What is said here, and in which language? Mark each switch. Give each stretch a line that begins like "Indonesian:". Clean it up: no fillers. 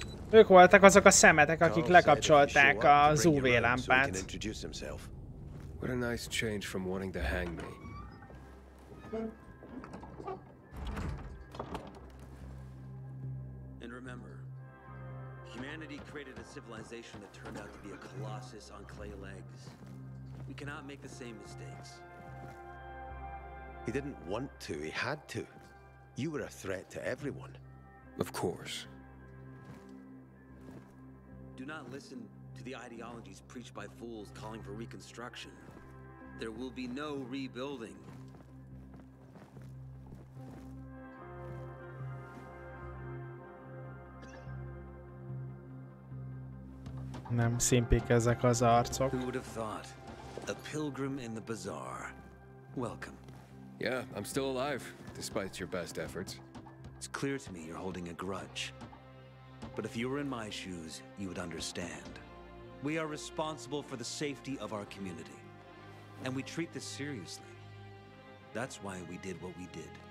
Hungarian: Ők voltak azok a szemetek, akik lekapcsolták az UV lámpát.
English: What a nice change from wanting to hang me. And remember, humanity created a civilization that turned out to be a colossus on clay legs. We cannot make the same mistakes. He didn't want to, he had to. You were a threat to everyone. Of course. Do not listen to the ideologies preached by fools calling for reconstruction. There will be no rebuilding.
Hungarian: Nem szimpik ezek az arcok.
English: Who would have thought? A pilgrim in the bazaar. Welcome. Yeah, I'm still alive, despite your best efforts. It's clear to me you're holding a grudge. But if you were in my shoes, you would understand. We are responsible for the safety of our community. And we treat this seriously. That's why we did what we did.